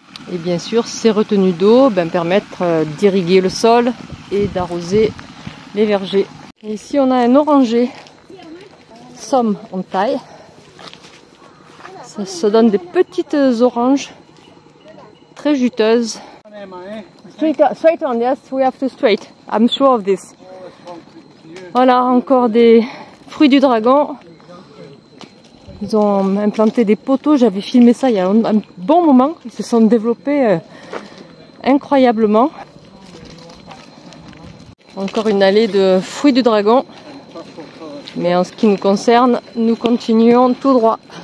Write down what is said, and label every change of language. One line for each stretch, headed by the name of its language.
French: Et bien sûr, ces retenues d'eau permettent d'irriguer le sol et d'arroser les vergers. Et ici, on a un oranger. Somme en taille. Ça se donne des petites oranges très juteuses.
English: Straight on, yes, we have to straight. I'm sure of this.
French: Voilà, encore des fruits du dragon. Ils ont implanté des poteaux, j'avais filmé ça il y a un bon moment. Ils se sont développés incroyablement. Encore une allée de fruits du dragon. Mais en ce qui nous concerne, nous continuons tout droit.